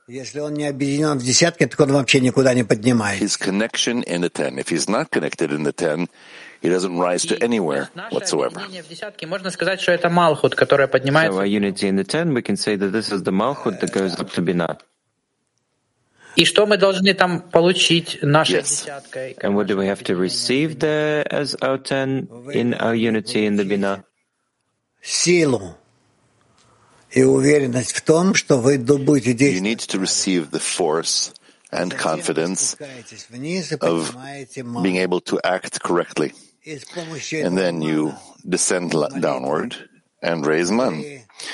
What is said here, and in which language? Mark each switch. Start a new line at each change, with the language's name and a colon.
English: His connection in the ten. If he's not connected in the ten, he doesn't rise to anywhere whatsoever. So our unity in the ten, we can say that this is the Malchut that goes up to Bina.
Russian: И что мы должны там получить нашей десяткой?
English: And what do we have to receive there as our ten in our unity in the Bina?
Russian: Силу и уверенность в том, что вы будете действовать.
English: You need to receive the force and confidence of being able to act correctly. And then you descend downward and raise man.